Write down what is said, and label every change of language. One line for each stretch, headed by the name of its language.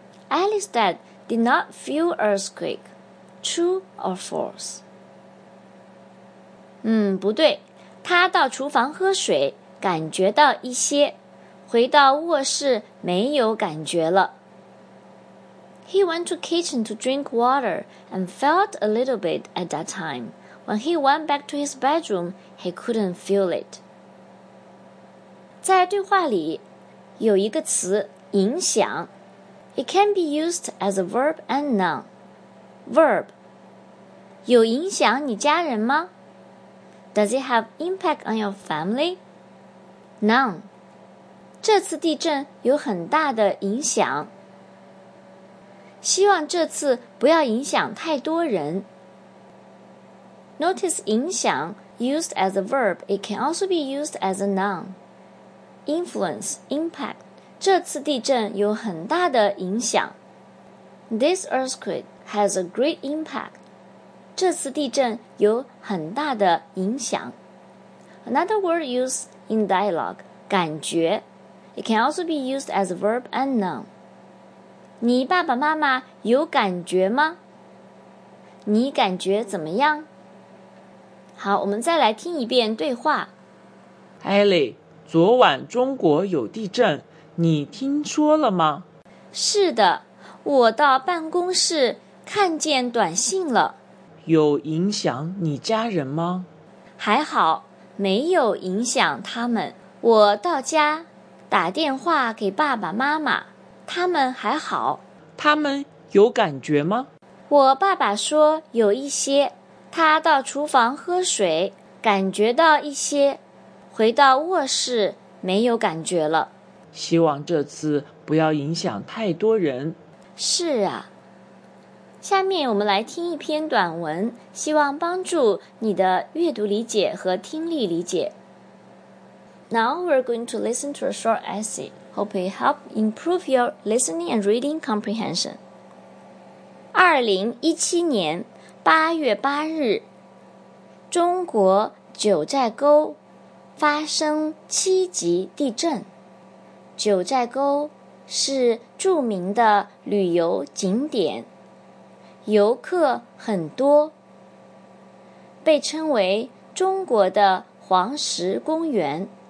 English: Ellie's dad did not feel earthquake. True or false?
Chinese: 不对。他到厨房喝水，感觉到一些，回到卧室没有感觉了。
English: He went to kitchen to drink water and felt a little bit at that time. When he went back to his bedroom, he couldn't feel it.
Chinese: 在对话里有一个词影响。
English: It can be used as a verb and noun.
Chinese: Verb. 有影响你家人吗?
English: Does it have impact on your family? Noun.
Chinese: 这次地震有很大的影响。希望这次不要影响太多人。
English: Notice 影响 used as a verb, it can also be used as a noun.
Chinese: Influence, impact, 这次地震有很大的影响。
English: This earthquake has a great impact.
Chinese: 这次地震有很大的影响。
English: Another word used in dialogue, 感觉。 It can also be used as a verb and noun.
Chinese: 你爸爸妈妈有感觉吗？你感觉怎么样？好，我们再来听一遍对话。 Ellie, 昨晚中国有地震，你听说了吗？是的，我到办公室看见短信了。有影响你家人吗？还好，没有影响他们。我到家，打电话给爸爸妈妈。他们还好。他们有感觉吗？我爸爸说有一些，他到厨房喝水，感觉到一些，回到卧室没有感觉了。希望这次不要影响太多人。是啊。下面我们来听一篇短文，希望帮助你的阅读理解和听力理解。
English: Now we're going to listen to a short essay. Hope it helps improve your listening and reading comprehension.
Chinese: 2017年8月8日，中国九寨沟发生七级地震。九寨沟是著名的旅游景点，游客很多，被称为中国的黄石公园。